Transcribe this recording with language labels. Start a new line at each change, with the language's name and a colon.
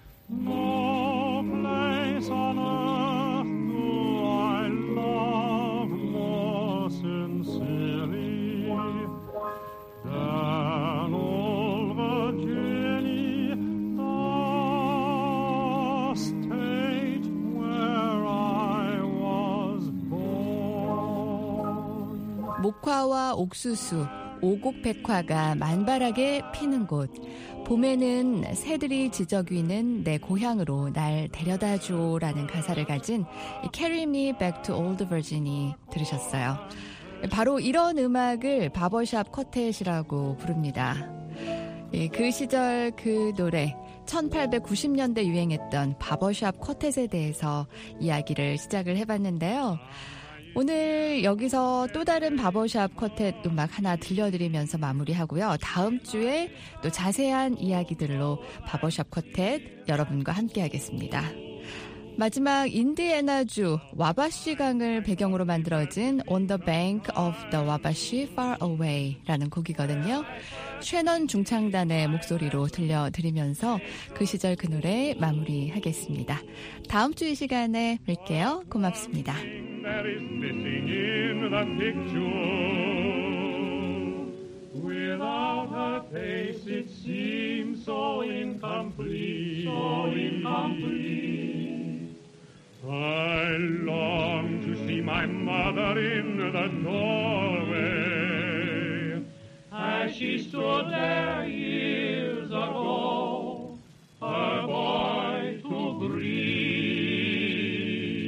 English: No place on earth do I love more sincerely than old Virginia, the state where I was born.
Korean: 목화와 옥수수, 오곡백화가 만발하게 피는 곳. 봄에는 새들이 지저귀는 내 고향으로 날 데려다줘라는 가사를 가진 Carry Me Back to Old Virginia 들으셨어요. 바로 이런 음악을 바버샵 쿼텟이라고 부릅니다. 그 시절 그 노래, 1890년대 유행했던 바버샵 쿼텟에 대해서 이야기를 시작을 해봤는데요. 오늘 여기서 또 다른 바버샵 쿼텟 음악 하나 들려드리면서 마무리하고요. 다음 주에 또 자세한 이야기들로 바버샵 쿼텟 여러분과 함께하겠습니다. 마지막 인디애나주 와바시 강을 배경으로 만들어진 On the Bank of the Wabash Far Away라는 곡이거든요. 쉐넌 중창단의 목소리로 들려드리면서 그 시절 그 노래 마무리하겠습니다. 다음 주 이 시간에 뵐게요. 고맙습니다.
English: That is missing in the picture. Without her face, it seems so incomplete. So incomplete. I long to see my mother in the doorway, as she stood there years ago, her boy to greet.